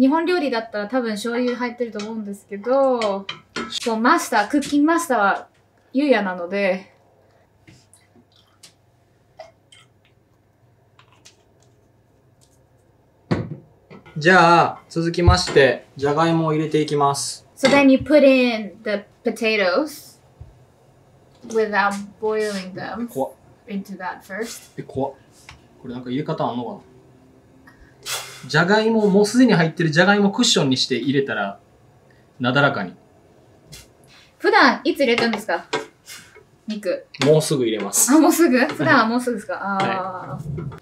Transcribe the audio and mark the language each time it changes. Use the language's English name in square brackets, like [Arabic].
[Japanese] 日本料理だったら多分醤油入ってると思うんですけど、そう、マスター、クッキングマスターはゆうやなので、じゃあ、続きまして、じゃがいもを入れていきます。 [English] So then you put in the potatoes without boiling them into that first. [Japanese] え、怖っ。これなんか入れ方あんのかな。じゃがいも、もうすでに入ってるじゃがいもクッションにして入れたら、なだらかに。普段、いつ入れたんですか肉。もうすぐ入れます。あ、もうすぐ普段はもうすぐですか、はい、あ、